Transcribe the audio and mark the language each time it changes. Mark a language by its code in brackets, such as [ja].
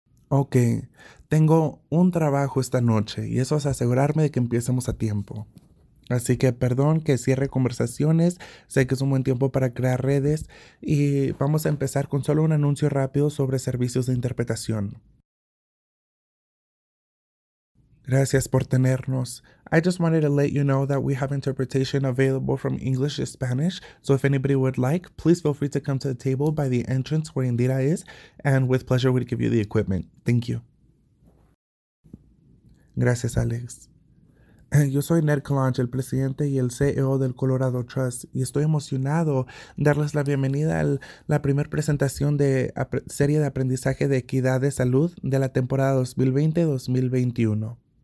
[es] Ok, tengo un trabajo esta noche y eso es asegurarme de que empecemos a tiempo. Así que perdón que cierre conversaciones, sé que es un buen tiempo para crear redes y vamos a empezar con solo un anuncio rápido sobre servicios de interpretación. Gracias por tenernos. [en] I just wanted to let you know that we have interpretation available from English to Spanish, so if anybody would like, please feel free to come to the table by the entrance where Indira is, and with pleasure we'd give you the equipment. Thank you. [es] Gracias, Alex. Yo soy Ned Kalanch, el presidente y el CEO del Colorado Trust, y estoy emocionado darles la bienvenida a la primera presentación de serie de aprendizaje de equidad de salud de la temporada 2020-2021.